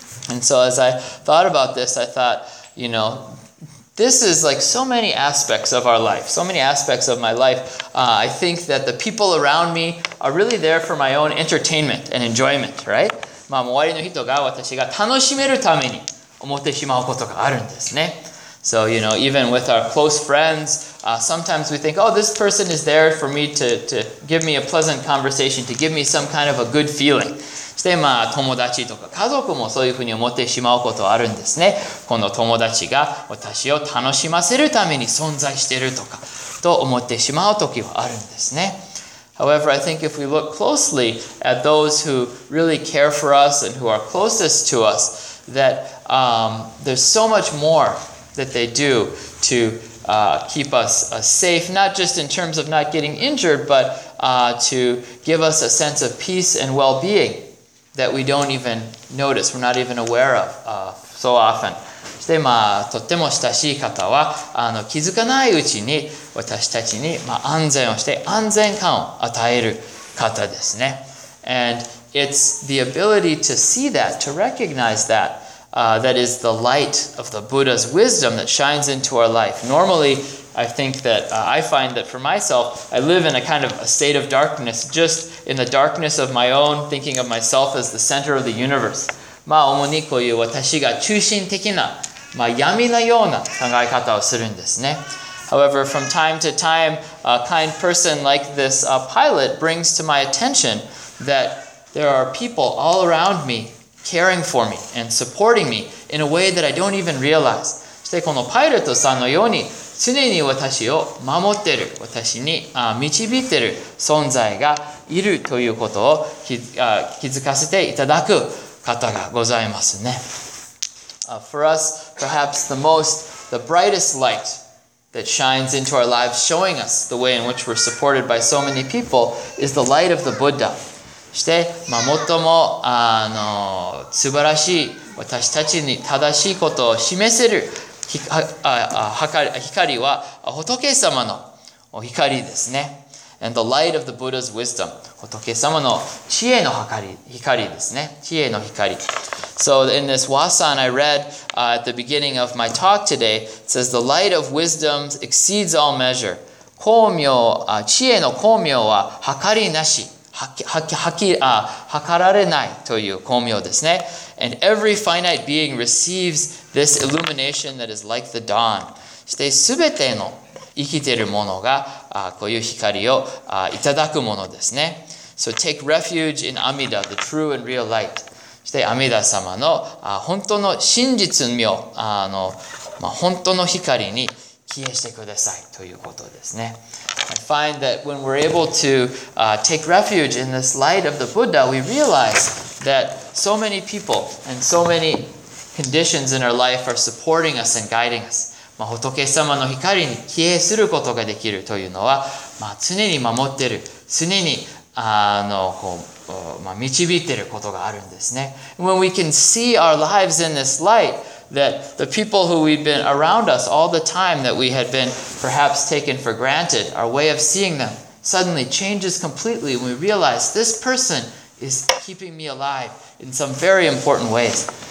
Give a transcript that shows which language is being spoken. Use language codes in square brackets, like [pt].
[en] And so as I thought about this, I thought, you know,This is like so many aspects of our life, so many aspects of my life. I think that the people around me are really there for my own entertainment and enjoyment, right? [ja] まあ、周りの人が私が楽しめるために思ってしまうことがあるんですね。 [en] So, you know, even with our close friends, sometimes we think, oh, this person is there for me to give me a pleasant conversation, to give me some kind of a good feeling. [ja] そしてまあ友達とか家族もそういうふうに思ってしまうことあるんですね。この友達が私を楽しませるために存在しているとかと思ってしまう時はあるんですね。 [en] However, I think if we look closely at those who really care for us and who are closest to us, that, there's so much more that they do to, keep us, safe, not just in terms of not getting injured, but, to give us a sense of peace and well-being. That we don't even notice, we're not even aware of, so often. [ja] そして、まあ、とっても親しい方は、気づかないうちに、私たちに、まあ、安全をして、安全感を与える方ですね。 [en] And it's the ability to see that, to recognize that, that is the light of the Buddha's wisdom that shines into our life. Normally, I think that, I find that for myself, I live in a kind of a state of darkness, just in the darkness of my own, thinking of myself as the center of the universe. [ja] まあ、主にこういう私が中心的な、まあ、闇のような考え方をするんですね。 [en] However, from time to time, a kind person like this, pilot brings to my attention that there are people all around me caring for me and supporting me in a way that I don't even realize. [ja] そしてこのパイロットさんのように、常に私を守ってる、私に導いてる存在がいるということを気づかせていただく方がございますね。 [en] For us, perhaps the brightest light that shines into our lives, showing us the way in which we're supported by so many people, is the light of the Buddha. [ja] そして、まあ、最も素晴らしい、私たちに正しいことを示せる、光は仏様の光ですね。 [en] And the light of the Buddha's wisdom. [ja] 仏様の知恵の光ですね。知恵の光。 [en] So in this Wasan I read at the beginning of my talk today, it says the light of wisdom exceeds all measure. [ja] 光明、知恵の光明は計りなし。はかられないという光明ですね。 [en] And every finite being receives this illumination that is like the dawn. [ja] して全ての生きているものがこういう光をいただくものですね。 [en] So take refuge in Amida, the true and real light. [ja] して阿弥陀様の本当の真実明、本当の光に消えしてくださいということですね。 [en] I find that when we're able to take refuge in this light of the Buddha, we realize that so many people and so many conditions in our life are supporting us and guiding us. [ja] 仏様の光に消えすることができるというのは、常に守ってる、常にこう導いてることがあるんですね。 [en] When we can see our lives in this light,that the people who we've been around us all the time that we had been perhaps taken for granted, our way of seeing them suddenly changes completely when we realize this person is keeping me alive in some very important ways.